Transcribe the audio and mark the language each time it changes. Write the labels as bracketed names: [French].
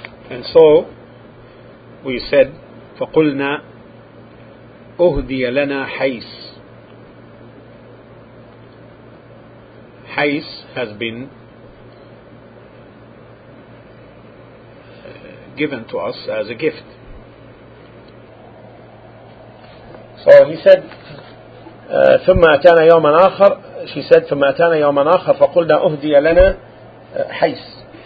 [English] And so we said, [Arabic] فقلنا أهدي لنا حيس. [English] حيس has been given to us as a gift. So he said, [Arabic] ثم أتانا يوما آخر. [English] She said, [Arabic] ثم أتانا يوما آخر فقلنا أهدي لنا حيس.